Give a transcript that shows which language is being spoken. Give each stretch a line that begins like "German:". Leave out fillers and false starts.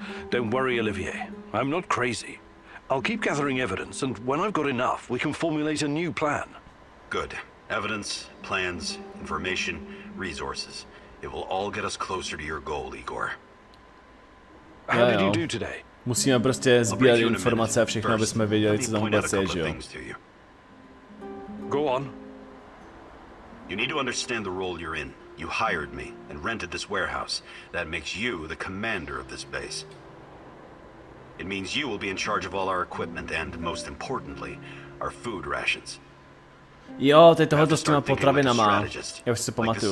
English: Don't worry, Olivier. I'm not crazy. I'll keep gathering evidence, and when I've got enough, we can formulate a new plan. Good. Evidence, plans, information, resources. It will all get us closer to your goal, Igor. How did you do today?
Czech: Musíme prostě sbírat informace a všechno, abychom věděli, co tam vůbec je, že jo?
English: Go on. You need to understand the role you're in. You hired me and rented this warehouse. That makes you the commander of this base. It means you will be in charge of all our equipment and, most importantly, our food rations.
Czech: Jo, to je tohoto s těma potravinama. Já už si pamatuju.